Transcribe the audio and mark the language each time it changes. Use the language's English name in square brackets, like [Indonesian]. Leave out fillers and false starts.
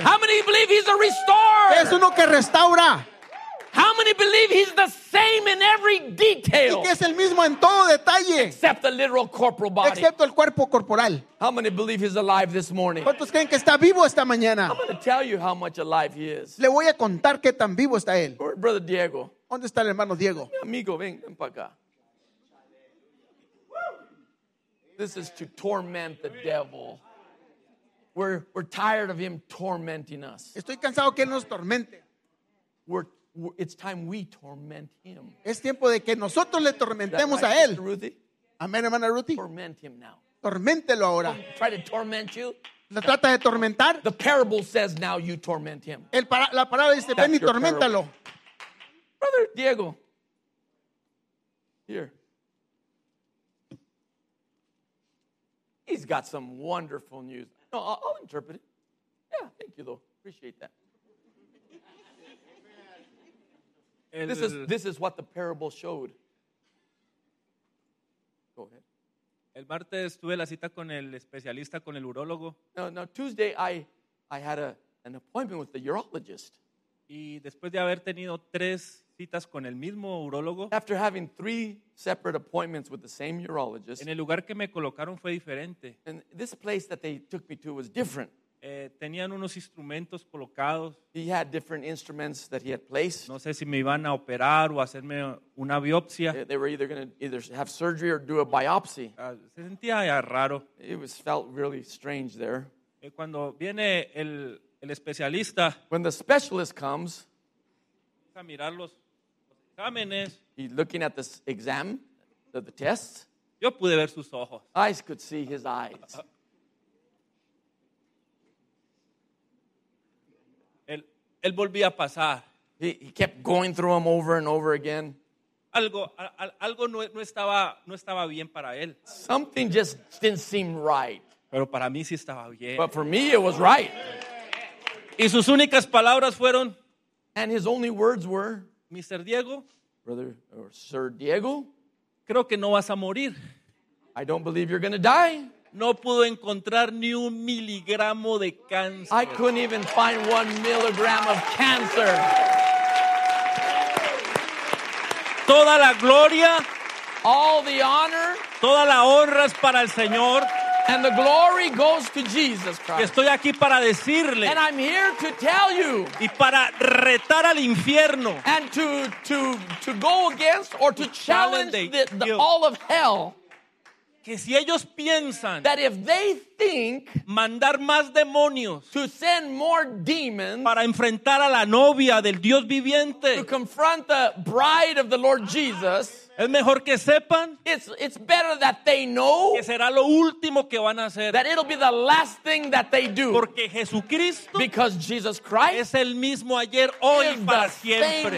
[English] How many believe he's a restorer? [Spanish] Es uno que restaura. [English] How many many believe he's the same in every detail? [Spanish] Y que es el mismo en todo detalle. [English] Except the literal corporal body. [Spanish] Excepto el cuerpo corporal. [English] How many believe he's alive this morning? [Spanish] ¿Cuántos creen que está vivo esta mañana? [English] I'm going to tell you how much alive he is. [Spanish] Le voy a contar qué tan vivo está él. [English] Brother Diego. [Spanish] ¿Dónde está el hermano Diego? Mi amigo, ven, ven para acá. [English] This is to torment the devil. We're tired of him tormenting us. [Spanish] Estoy cansado que él nos tormente. [English] We're, it's time we torment him. [Spanish] Es tiempo de que nosotros le tormentemos a él. Amén, hermana Ruthie. [English] Torment him now. [Spanish] Torméntelo ahora. [English] Try to torment you. [Spanish] ¿La trata de tormentar? [English] The parable says now you torment him. [Spanish] La palabra dice, ven y torméntalo. [English] Brother Diego. Here. He's got some wonderful news. No, I'll interpret it. Yeah, thank you, though. Appreciate that. And this is what the parable showed. Go ahead. [Spanish] El martes tuve la cita con el especialista, con el urólogo. [English] Now Tuesday I had an appointment with the urologist. [Spanish] Y después de haber tenido tres citas con el mismo urólogo. [English] After having three separate appointments with the same urologist. [Spanish] En el lugar que me colocaron fue diferente. [English] And this place that they took me to was different. [Spanish] Tenían unos instrumentos colocados. [English] He had different instruments that he had placed. [Spanish] No sé si me iban a operar o hacerme una biopsia. [English] They were either going to either have surgery or do a biopsy. [Spanish] Se sentía ya raro. [English] It was felt really strange there. [Spanish] Cuando viene el especialista. [English] When the specialist comes. [Spanish] A mirar los exámenes. [English] He's looking at this exam, the test. [Spanish] Yo pude ver sus ojos. [English] I could see his eyes. [Spanish] Él volvía a pasar. [English] He kept going through them over and over again. [Spanish] Algo no estaba bien para él. [English] Something just didn't seem right. [Spanish] Pero para mí sí estaba bien. [English] But for me it was right. [Spanish] Y sus únicas palabras fueron. [English] And his only words were, Mr. Diego, brother, or Sir Diego, [Spanish] creo que no vas a morir. [English] I don't believe you're going to die. [Spanish] No pudo encontrar ni un miligramo de cáncer. [English] I couldn't even find 1 milligram of cancer. [Spanish] Toda la gloria, [English] all the honor, [Spanish] toda la honra es para el Señor. [English] And the glory goes to Jesus Christ. [Spanish] Estoy aquí para decirle, [English] and I'm here to tell you. [Spanish] Y para retar al infierno, [English] and to go against or to challenge the all of hell. [Spanish] Que si ellos piensan, [English] that if they think [Spanish] mandar más demonios, [English] to send more demons [Spanish] para enfrentar a la novia del Dios viviente, [English] to confront the bride of the Lord Jesus. [Spanish] Es mejor que sepan. [English] It's better that they know. [Spanish] Que será lo último que van a hacer. [English] That it'll be the last thing that they do. [Spanish] Porque Jesucristo. [English] Because Jesus Christ. [Spanish] Es el mismo ayer, hoy, para siempre.